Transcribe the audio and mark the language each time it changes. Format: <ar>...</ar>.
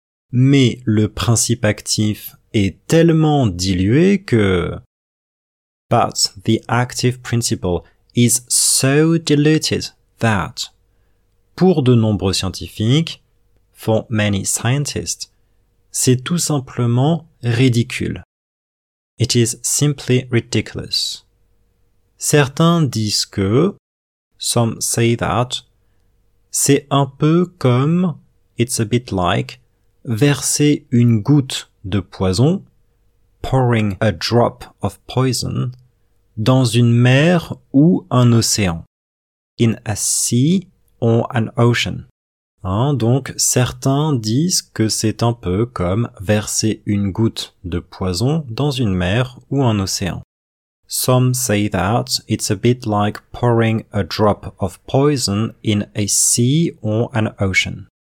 <fr>Mais le principe actif est tellement dilué que,</fr> <en>but the active principle is so diluted that,</en> <fr>pour de nombreux scientifiques,</fr> <en>for many scientists,</en> <fr>c'est tout simplement ridicule.</fr> <en>It is simply ridiculous.</en> <fr>Certains disent que,</fr> <en>some say that,</en> <fr>c'est un peu comme,</fr> <en>it's a bit like,</en> <fr>verser une goutte de poison,</fr> <en>pouring a drop of poison,</en> <fr>dans une mer ou un océan,</fr> <en>in a sea or an ocean.</en> <fr>Hein, donc, certains disent que c'est un peu comme verser une goutte de poison dans une mer ou un océan.</fr> <en>Some say that it's a bit like pouring a drop of poison in a sea or an ocean.</en>